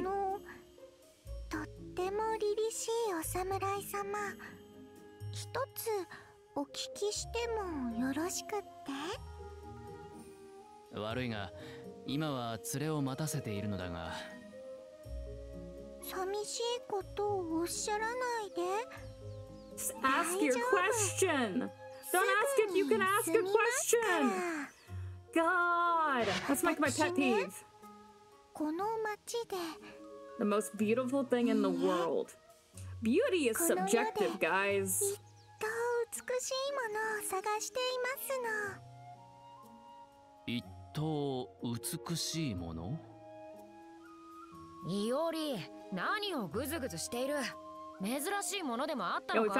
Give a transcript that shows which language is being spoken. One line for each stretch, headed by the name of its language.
Japanese: あのとっても凛々しいお侍様一つお聞きしてもよろしくって悪いが今は連れを待たせているのだが寂しいことをおっしゃらないで
English: Ask your question! Don't ask if you can ask a question! God! That's like my pet peeve!
Japanese: この街で
English: The most beautiful thing in the world Beauty is subjective, guys!
Japanese: 美しいものを探していますの一等美しいものイオリ何をグズグズしている珍しいものでもあったのか